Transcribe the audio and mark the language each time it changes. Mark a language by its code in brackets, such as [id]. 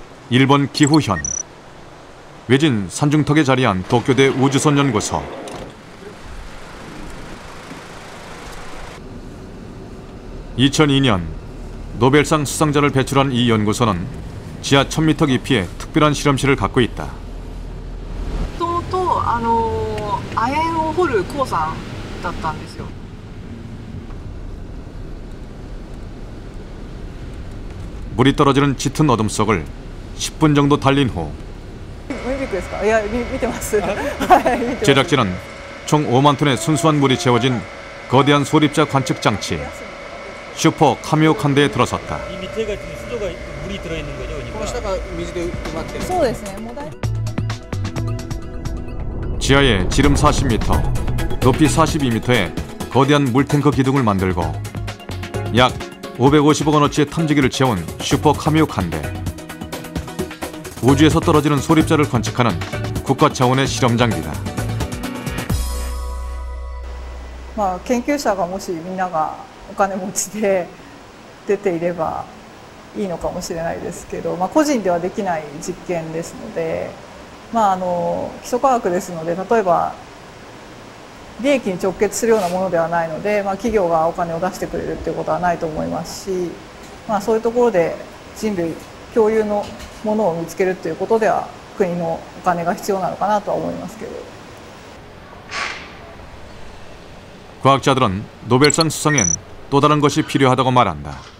[ko] 일본 기후현. 외진 산중턱에 자리한 도쿄대 우주선 연구소. 2002년 노벨상 수상자를 배출한 이 연구소는 지하 1000m 깊이에 특별한 실험실을 갖고 있다. [ja] 亜鉛を掘る鉱山だったんですよ. [ko] 물이 떨어지는 짙은 어둠 속을 10분 정도 달린 후 제작진은 총 5만 톤의 순수한 물이 채워진 거대한 소립자 관측 장치 슈퍼 카미오 칸데에 들어섰다. 이 밑에가 수조가 물이 들어 있는 거죠, 그러니까. 미지대 음악대. [ja] 소ですね. [ko] 지하에 지름 40m, 높이 42m의 거대한 물탱크 기둥을 만들고 약 550억 원어치의 탐지기를 채운 슈퍼 카미오 칸데. 우주에서 떨어지는 소립자를 관측하는 국가 차원의 실험 장비다. [ja] 연구자가 혹시 민나가 お金持ちで出ていればいいのかもしれないですけど、個人ではできない実験ですので、基礎科学ですので、例えば利益に直結するようなものではないので、企業がお金を出してくれるということはないと思いますし、そういうところで人類共有の ものを見つけるということでは国のお金が必要なのかなとは思いますけど。 [ko] 과학자들은 노벨상 수상엔 또 다른 것이 필요하다고 말한다.